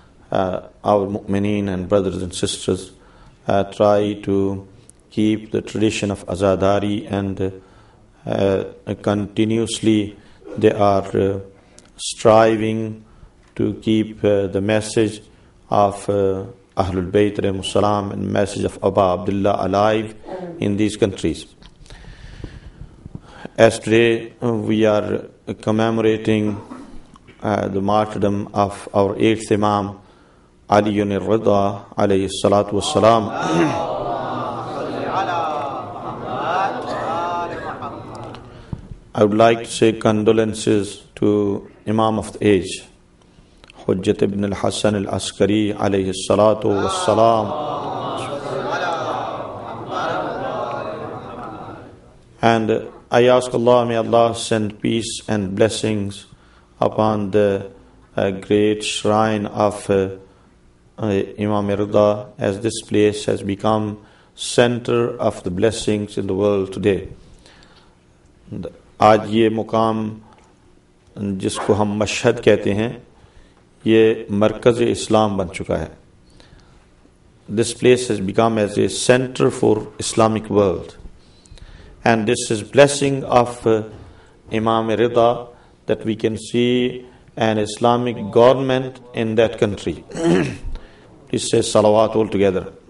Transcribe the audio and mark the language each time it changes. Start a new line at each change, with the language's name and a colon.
English: Our mu'mineen and brothers and sisters try to keep the tradition of azadari, and continuously they are striving to keep the message of Ahlul Bayt alayhimus salam and message of Aba Abdullah alive in these countries. As today we are commemorating the martyrdom of our eighth Imam,
Arabic: علي الرضا عليه الصلاة والسلام.
English: I would like to say condolences to Imam of the Age, Hujjat ibn al-Hassan al-Askari alayhi salatu wa salam. And I ask Allah, may Allah send peace and blessings upon the great shrine of Imam Rida, as this place has become center of the blessings in the world today.
Urdu: آج یہ مقام جس کو ہم مشہد کہتے ہیں یہ مرکز اسلام بن چکا ہے.
English: This place has become as a center for Islamic world. And this is blessing of Imam Rida that we can see an Islamic government in that country. Please say salawat all together.